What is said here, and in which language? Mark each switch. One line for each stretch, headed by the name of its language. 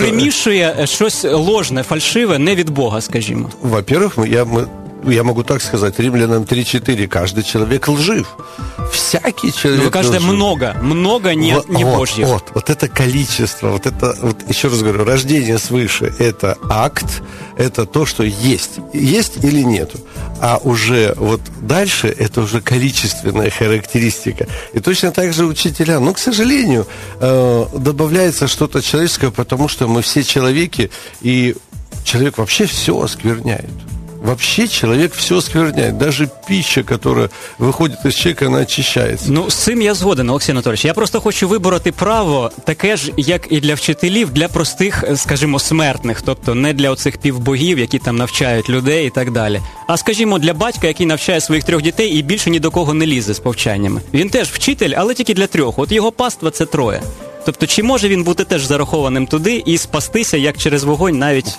Ukrainian: примішує щось ложне, фальшиве, не від Бога, скажімо.
Russian: Во-первых, я могу так сказать, Римлянам 3:4, каждый человек лжив. Всякий человек. Но каждое много, много не, вот, не вот, Божье. Вот, вот это количество, вот это, вот, еще раз говорю, рождение свыше – это акт, это то, что есть. Есть или нет? А уже вот дальше – это уже количественная характеристика. И точно так же учителя. Но, к сожалению, добавляется что-то человеческое, потому что мы все человеки, и человек вообще все оскверняет. Вообще человек все оскверняет. Даже пища, которая выходит из человека, она очищается.
Ukrainian: Ну, с цим я згоден, Олексій Анатолійович. Я просто хочу вибороти право таке ж, як і для вчителів, для простих, скажімо, смертних. Тобто не для оцих півбогів, які там навчають людей і так далі. А, скажімо, для батька, який навчає своїх трьох дітей і більше ні до кого не лізе з повчаннями. Він теж вчитель, але тільки для трьох. От його паства – це троє. Тобто, чи може він бути теж зарахованим туди і спастися, як через вогонь навіть?